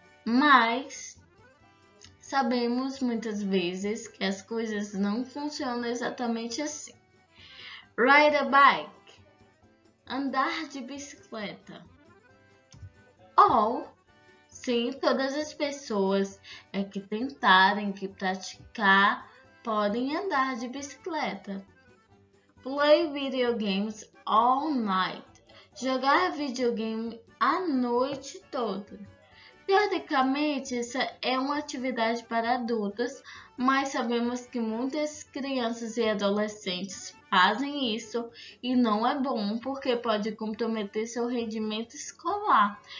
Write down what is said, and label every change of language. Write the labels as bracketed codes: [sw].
[pt] Mas sabemos muitas vezes que as coisas não funcionam exatamente assim. [en] Ride a bike, [pt] andar de bicicleta. Ou, sim, todas as pessoas é que tentarem, que praticar, podem andar de bicicleta. [en] Play video games all night. [pt] Jogar videogame a noite toda. Teoricamente, essa é uma atividade para adultos, mas sabemos que muitas crianças e adolescentes fazem isso e não é bom, porque pode comprometer seu rendimento escolar.